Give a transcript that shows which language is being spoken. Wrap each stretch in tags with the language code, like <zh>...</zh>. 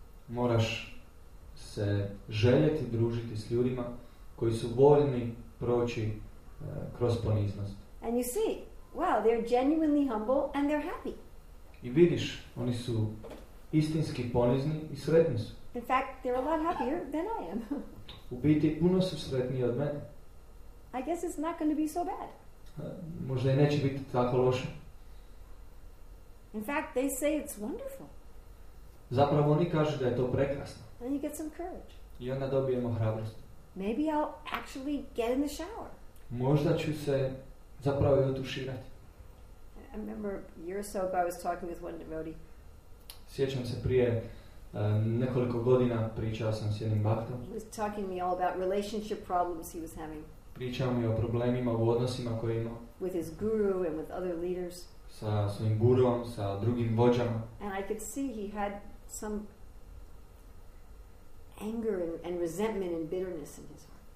<hr>Moraš se željeti družiti s ljudima koji su voljni proći kroz poniznost.</hr> <en>And you see, well, they're genuinely humble and they're happy.</en> <hr>I vidiš, oni su istinski ponizni i sretni su.</hr> <en>In fact, they're a lot happier than I am.</en> <hr>U biti, puno su sretniji od mene.</hr> <en>I guess it's not going to be so bad.</en> <hr>Možda i neće biti tako loše.</hr> <en>In fact, they say it's wonderful.</en> <hr>Zapravo oni kažu da je to prekrasno.</hr> <en>And you get some courage.</en> <hr>I onda dobijemo hrabrost.</hr> <en>Maybe I'll actually get in the shower.</en> <hr>Možda ću se zapravo i otuširati.</hr> <en>I remember a year or so ago I was talking with one devotee.</en> <hr>Sjećam se prije nekoliko godina pričao sam s jednim bhaktom.</hr> <en>He was talking to me all about relationship problems he was having.</en> <hr>Pričao mi o problemima u odnosima koje imao.</hr> <en>With his guru and with other leaders.</en> <hr>Sa svojim guruom, sa drugim vođama.</hr> <en>And I could see he had some anger and resentment and bitterness in his heart.</en>